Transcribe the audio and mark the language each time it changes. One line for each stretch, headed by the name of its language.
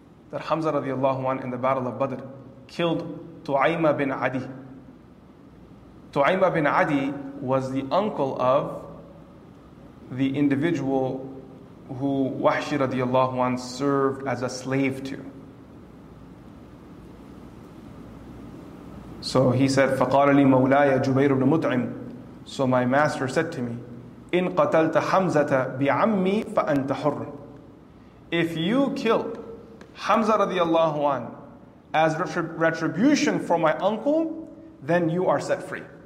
English: That Hamza radiallahu anhu in the Battle of Badr killed Tu'aymah bin Adi. Tu'aymah bin Adi was the uncle of the individual who Wahshi radiallahu anhu served as a slave to. So he said,
Arabic: فَقَالَ لِي مَوْلَايَ جُبَيْرُ بْنُ مُطْعِمٍ.
English: So my master said to me,
Arabic: إِن قَتَلْتَ حَمْزَةَ بِعَمِّي فَأَنْتَ حُرٌ.
English: If you kill Hamza radiallahu anhu as retribution for my uncle, then you are set free.